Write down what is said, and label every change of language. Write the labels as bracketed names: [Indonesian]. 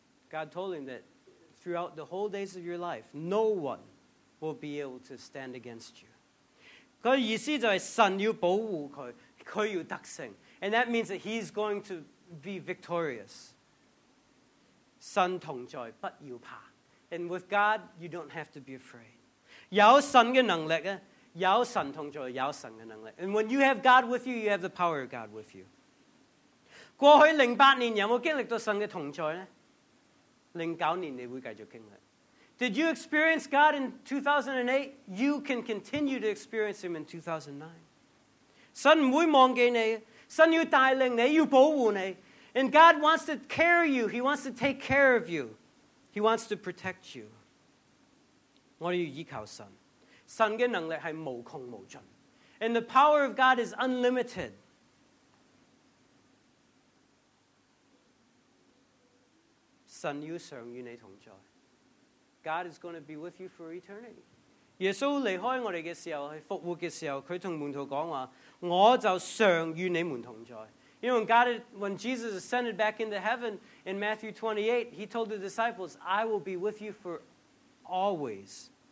[English] God told him that throughout the whole days of your life, no one will be able to stand against you. [Chinese] 他的意思就是神要保护他，他要得胜。 [English] And that means that he's going to be victorious. [Chinese] 神同在，不要怕。 [English] And with God, you don't have to be afraid. [Chinese] 有神的能力呢， 有神同在，有神的能力。 [English] And when you have God with you, you have the power of God with you. [Chinese] 过去08年有没有经历到神的同在呢？ 09年你会继续经历。 [English] Did you experience God in 2008? You can continue to experience Him in 2009. [Chinese] 神不会忘记你， 神要带领你， 要保护你。 [English] And God wants to carry you. He wants to take care of you. He wants to protect you. [Chinese] 我们要依靠神。神的能力是无穷无尽， [English] and the power of God is unlimited. [Chinese] 神要常与你同在， [English] God is going to be with you for eternity. [Chinese] 耶稣离开我们的时候，复活的时候，他跟门徒讲话，我就常与你们同在。 [English] You know, when Jesus ascended back into heaven in Matthew 28, he told the disciples, I will be with you for always.